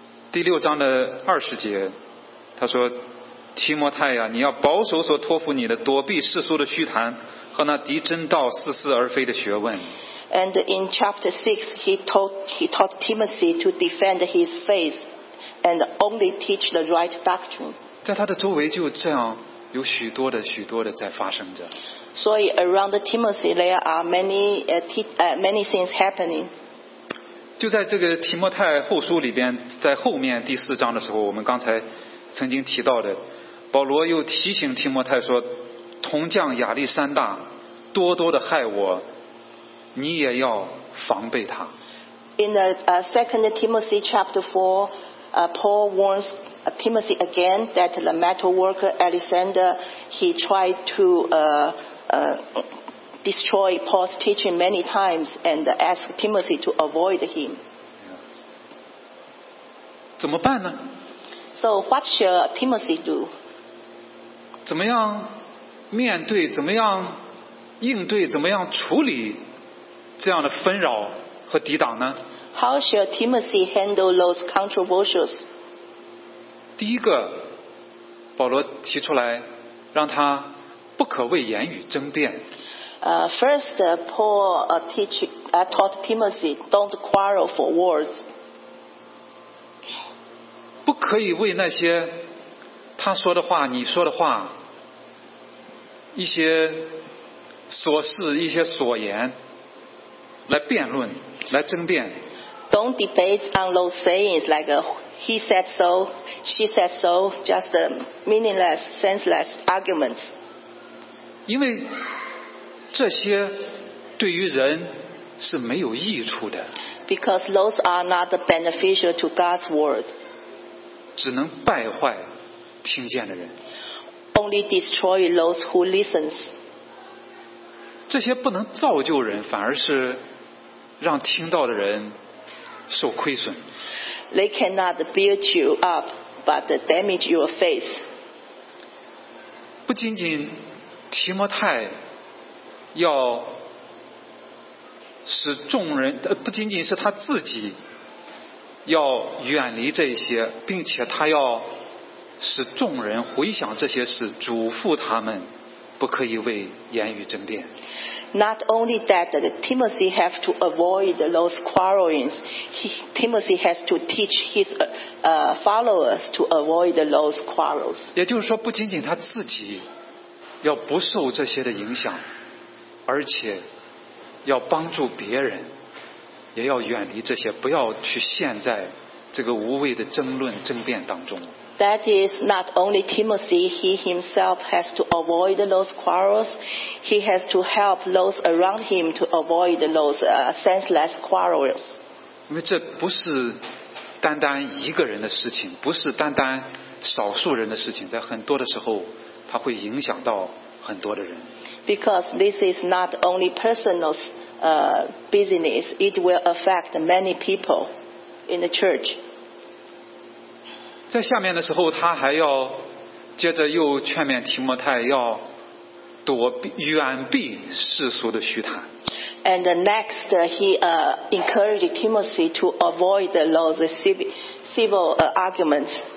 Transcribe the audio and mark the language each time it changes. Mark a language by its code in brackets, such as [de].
[zh] 第六章的二十节，他说，提摩太啊，你要保守所托付你的，躲避世俗的虚谈和那敌真道似是而非的学问。 [en] And in chapter 6, he taught Timothy to defend his faith and only teach the right doctrine. [zh] 在他的周围就这样有许多的许多的在发生着。所以 [en] around Timothy there are many things happening. [zh] 就在这个提摩太后书里边，在后面第四章的时候，我们刚才曾经提到的，保罗又提醒提摩太说，铜匠亚历山大多多的害我，你也要防备他。 [en] In the second Timothy chapter 4, Paul warns Timothy again that the metal worker Alexander, he tried to destroy Paul's teaching many times and ask Timothy to avoid him. [zh] 怎么办呢？ [en] So what should Timothy do? [zh] 怎么样面对？怎么样应对？怎么样处理这样的纷扰和抵挡呢？ [en] How should Timothy handle those controversies? [zh] 第一个，保罗提出来让他不可为言语争辩。 [en] First, Paul taught Timothy don't quarrel for words. [zh] 不可以为那些他说的话、你说的话、一些琐事、一些所言来辩论、来争辩。 [en] Don't debate on those sayings like he said so, she said so, just meaningless, senseless arguments. [zh] 因为这些对于人是没有益处的。 [en] Because those are not beneficial to God's word. [zh] 只能败坏听见的人。 [en] Only destroy those who listens. [zh] 这些不能造就人，反而是让听到的人受亏损。 [en] They cannot build you up, but damage your faith. [zh] 不仅仅提摩太要使众人，不仅仅是他自己要远离这些，并且他要使众人回想这些事，嘱咐他们不可以为言语争辩。 [en] Not only that, Timothy have to avoid those quarrelings. Timothy has to teach his followers to avoid those quarrels. [zh] 也就是说，不仅仅他自己要不受这些的影响，而且要帮助别人，也要远离这些，不要去陷在这个无谓的争论争辩当中。 [en] That is not only Timothy, he himself has to avoid those quarrels, he has to help those around him to avoid those senseless quarrels. [zh] 因为这不是单单一个人的事情，不是单单少数人的事情，在很多的时候，它会影响到很多的人。 [en] Because this is not only personal business, it will affect many people in the church. [zh] 在下面的时候，他还要接着又劝勉提摩太要躲避远避世俗的虚谈。 [en] And next, he encouraged Timothy to avoid those civil arguments.